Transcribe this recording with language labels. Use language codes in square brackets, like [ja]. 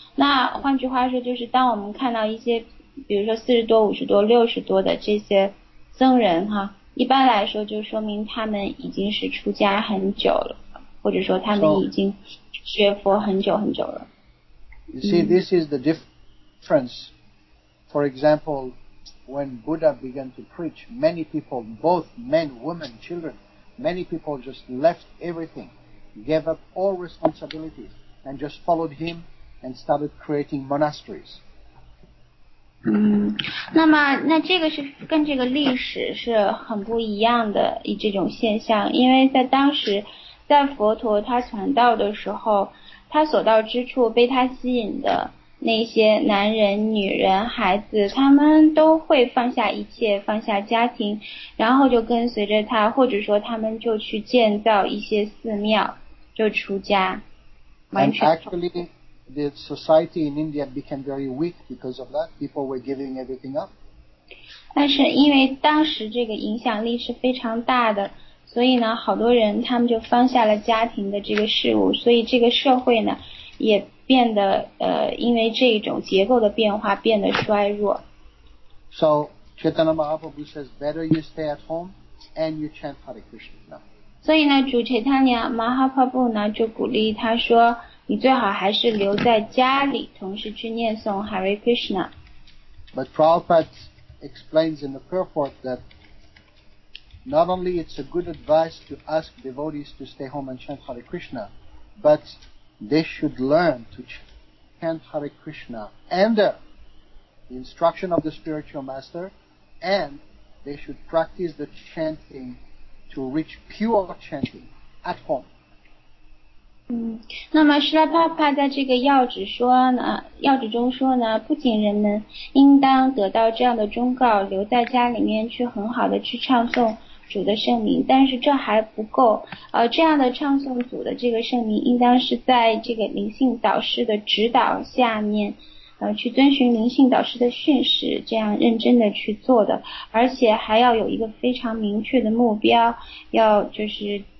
[zh] 那换句话说，就是当我们看到一些比如说40多、50多、60多的这些僧人哈，一般来说就说明他们已经是出家很久了，或者说他们已经学佛很久很久了。 [en] You see, this is the difference. For example, when Buddha began to preach, many people, both men, women, children, many people just left everything, gave up all responsibilities, and just followed him and started creating monasteries. [zh] 嗯，那这个是跟这个历史是很不一样的这种现象，因为在当时，在佛陀他传道的时候，他所到之处被他吸引的那些男人、女人、孩子，他们都会放下一切，放下家庭，然后就跟随着他，或者说他们就去建造一些寺庙，就出家，完全。 [en] The society in India became very weak because of that. People were giving everything up. [zh] 但是因为当时这个影响力是非常大的，所以呢，好多人他们就放下了家庭的这个事物，所以这个社会呢，也变得因为这种结构的变化变得衰弱。 [en] So, Chaitanya Mahaprabhu says, better you stay at home and you chant Hare Krishna now. [zh] 所以呢，主 Chaitanya Mahaprabhu 呢就鼓励他说。你最好还是留在家里，同时去念诵 Hare Krishna. [en] But Prabhupada explains in the purport that not only it's a good advice to ask devotees to stay home and chant Hare Krishna, but they should learn to chant Hare Krishna under the instruction of the spiritual master, and they should practice the chanting to reach pure chanting at home. [zh] 那么施拉帕帕在这个要旨说呢，要旨中说呢，不仅人们应当得到这样的忠告，留在家里面去很好的去唱诵主的圣名，但是这还不够。这样的唱诵主的这个圣名，应当是在这个灵性导师的指导下面，去遵循灵性导师的训示，这样认真的去做的，而且还要有一个非常明确的目标，要就是。